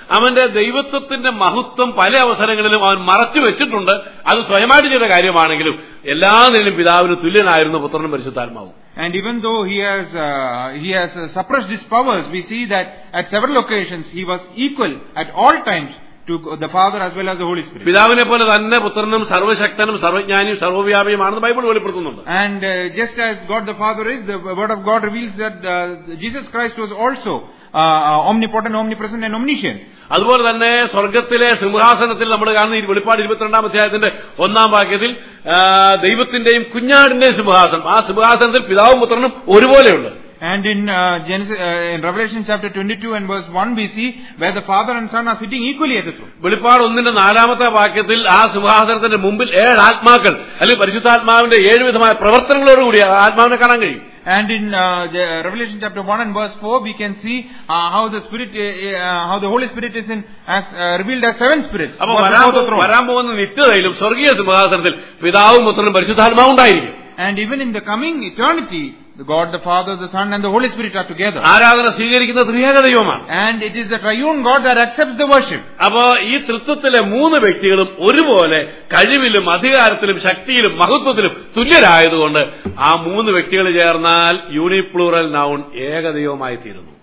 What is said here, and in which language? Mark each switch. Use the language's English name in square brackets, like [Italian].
[Malayalam] അവന്റെ ദൈവത്വത്തിന്റെ മഹത്വം പല അവസരങ്ങളിലും അവൻ മറച്ചു വെച്ചിട്ടുണ്ട്. അത് സ്വയമായിട്ട് ചെയ്ത കാര്യമാണെങ്കിലും എല്ലാ നിലയിലും പിതാവിന് തുല്യനായിരുന്നു പുത്രനും പരിശുദ്ധാത്മാവും. [English] And even though he has suppressed his powers, we see that at several occasions he was equal at all times to the Father as well as the Holy Spirit. [Malayalam] പിതാവിനെ പോലെ തന്നെ പുത്രനും സർവശക്തനും സർവജ്ഞാനിയും സർവവ്യാപിയുമാണെന്ന് Bible വെളിപ്പെടുത്തുന്നുണ്ട്. [English] And just as God the Father is, the word of God reveals that Jesus Christ was also omnipotent, omnipresent and omniscient. [Malayalam] അതുപോലെ തന്നെ സ്വർഗത്തിലെ സിംഹാസനത്തിൽ നമ്മൾ കാണുന്ന ഈ വെളിപ്പാട് 22-ാം അധ്യായത്തിന്റെ 1-ാം വാക്യത്തിൽ ദൈവത്തിന്റെയും കുഞ്ഞാടിന്റെയും സിംഹാസനം, ആ സിംഹാസനത്തിൽ പിതാവും പുത്രനും ഒരുപോലെയുണ്ട്. [English] And in Genesis, in Revelation chapter 22 and verse 1 we see where the Father and Son are sitting equally at the throne. [Malayalam] വെളിപ്പാട് ഒന്നിന്റെ നാലാമത്തെ വാക്യത്തിൽ ആ സിംഹാസനത്തിന്റെ മുമ്പിൽ ഏഴ് ആത്മാക്കൾ അല്ലെങ്കിൽ പരിശുദ്ധാത്മാവിന്റെ ഏഴ് വിധമായ പ്രവർത്തനങ്ങളോട് കൂടി ആത്മാവിനെ കാണാൻ കഴിയും. [English] And in Revelation chapter 1 and verse 4 we can see how the Holy Spirit is in as revealed as seven spirits. [Malayalam] വരാമോന്ന് നിത്യതയിലും സ്വർഗീയ സിംഹാസനത്തിൽ പിതാവും പുത്രനും പരിശുദ്ധാത്മാവും ഉണ്ടായിരിക്കും. [English] And even in the coming eternity God the Father, the Son and the Holy Spirit are together. [Malayalam] ആരാധന സ്വീകരിക്കുന്ന ത്രിയേക ദൈവമാണ്. [English] And it is the triune God that accepts the worship. [Malayalam] അപ്പോൾ ഈ ത്രിത്വത്തിലെ മൂന്ന് വ്യക്തികളും ഒരുപോലെ കഴിവിലും അധികാരത്തിലും ശക്തിയിലും മഹത്വത്തിലും തുല്യരായതുകൊണ്ട് ആ മൂന്ന് വ്യക്തികൾ ചേർന്നാൽ യൂണിപ്ലൂറൽ നൗൺ ഏകദൈവമായി തീരുന്നു.